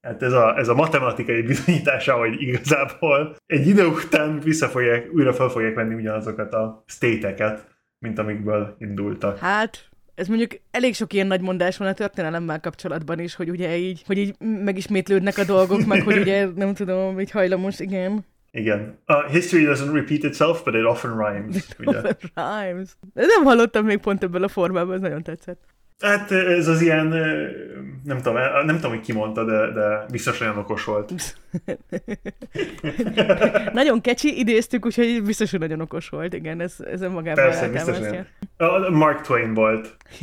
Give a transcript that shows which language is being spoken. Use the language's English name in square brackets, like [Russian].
[Hungarian] Hát ez a matematikai bizonyítása, hogy igazából egy idő után újra fel fogják venni ugyanazokat a state-eket, mint amikből indultak. Hát, ez mondjuk elég sok ilyen nagy mondás van a történelemmel kapcsolatban is, hogy ugye így, hogy így megismétlődnek a dolgok, meg hogy ugye nem tudom, így hajlamos, igen. Igen. [English] History doesn't repeat itself, but it often rhymes. Rhymes. [Hungarian] Nem hallottam még pont ebből a formában, ez nagyon tetszett. Hát ez az ilyen, nem tudom, hogy ki mondta, de biztos olyan okos volt. Nagyon kecsi, idéztük, úgyhogy biztos, hogy nagyon okos volt. Igen, ez önmagában. Persze, biztos olyan. Mark Twain volt.